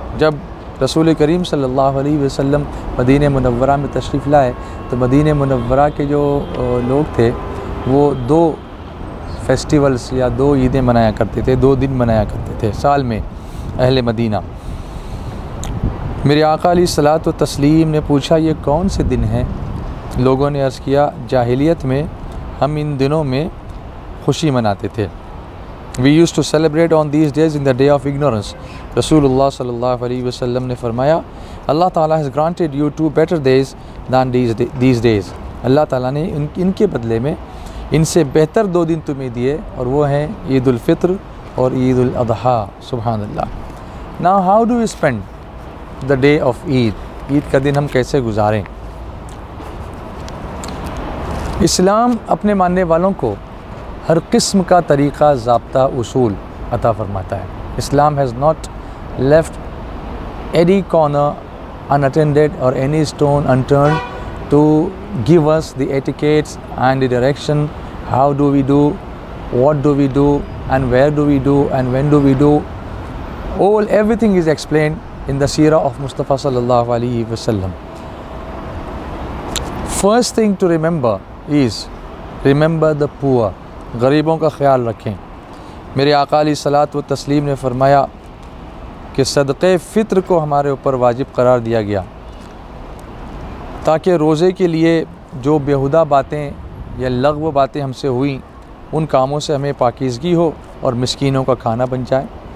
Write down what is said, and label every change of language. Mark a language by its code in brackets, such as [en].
[ur] جب رسول کریم صلی اللہ علیہ وسلم مدینہ منورہ میں تشریف لائے تو مدینہ منورہ کے جو لوگ تھے وہ دو فیسٹیولس یا دو عیدیں منایا کرتے تھے، دو دن منایا کرتے تھے سال میں اہل مدینہ. میرے آقا علیہ الصلاۃ والتسلیم نے پوچھا یہ کون سے دن ہیں؟ لوگوں نے عرض کیا جاہلیت میں ہم ان دنوں میں خوشی مناتے تھے. [en] We use to celebrate on these days in the day of ignorance. [ur] رسول اللہ صلی اللہ علیہ وسلم نے فرمایا اللہ تعالیٰ [en] has granted you two better days than these days, [ur] اللہ تعالیٰ نے ان کے بدلے میں ان سے بہتر دو دن تمہیں دیے، اور وہ ہیں عید الفطر اور عید الاضحیٰ. سبحان اللہ. نا [en] how do you spend the day of Eid, [ur] عید کا دن ہم کیسے گزاریں؟ اسلام اپنے ماننے والوں کو ہر قسم کا طریقہ، ضابطہ، اصول عطا فرماتا ہے. [en] Islam has not left any corner untended or any stone unturned to give us the etiquettes and the direction, how do we do, what do we do, and where do we do, and when do we do. All everything is explained in the seerah of Mustafa sallallahu alaihi wasallam. First thing to remember is remember the poor. [ur] غریبوں کا خیال رکھیں. میرے آقا علیہ الصلاۃ والتسلیم نے فرمایا کہ صدقہ فطر کو ہمارے اوپر واجب قرار دیا گیا تاکہ روزے کے لیے جو بیہودہ باتیں یا لغو باتیں ہم سے ہوئیں ان کاموں سے ہمیں پاکیزگی ہو اور مسکینوں کا کھانا بن جائے.